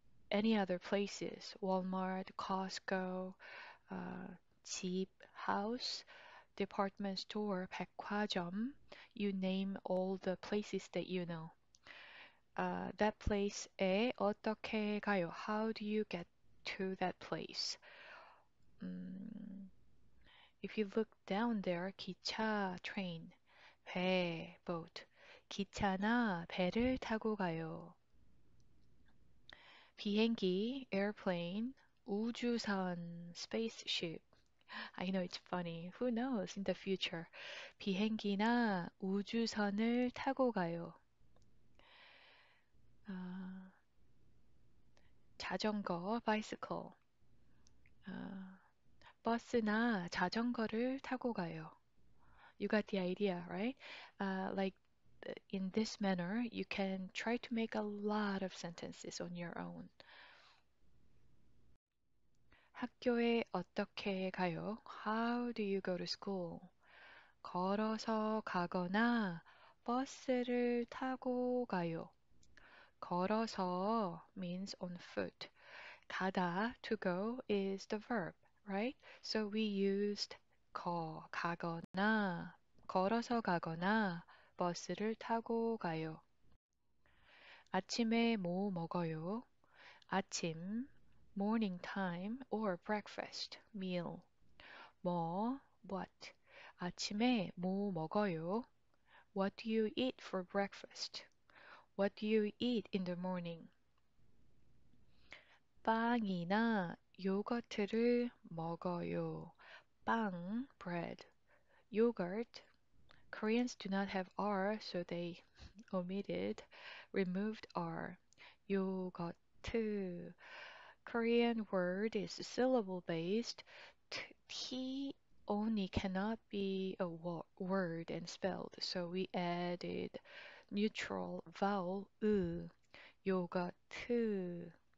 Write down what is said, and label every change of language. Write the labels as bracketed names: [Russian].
[English] any other places, Walmart, Costco, cheap house, department store, 백화점, you name all the places that you know. That place [Korean] 에 어떻게 가요? [English] How do you get to that place? If you look down there, 기차, train, 배, boat. [Korean] 기차나 배를 타고 가요. 비행기, airplane, 우주선, spaceship. [English] I know it's funny. Who knows in the future? [Korean] 비행기나 우주선을 타고 가요. 자전거, bicycle. 버스나 자전거를 타고 가요. [English] You got the idea, right? Like in this manner, you can try to make a lot of sentences on your own. [Korean] 학교에 어떻게 가요? [English] How do you go to school? [Korean] 걸어서 가거나 버스를 타고 가요. [English] 걸어서 means on foot. 가다, to go, is the verb, right? So we used [Korean] 가거나, 걸어서 가거나, 버스를 타고 가요. 아침에 뭐 먹어요? [English] 아침, morning time or breakfast, meal. [Korean] 뭐, what? 아침에 뭐 먹어요? [English] What do you eat for breakfast? What do you eat in the morning? [Korean] 빵이나 요거트를 먹어요. [English] 빵, bread. Yogurt. Koreans do not have R, so they omitted, removed R. [Korean] 요거트. [English] Korean word is syllable based. T only cannot be a word and spelled, so we added neutral vowel, 으, 요거트.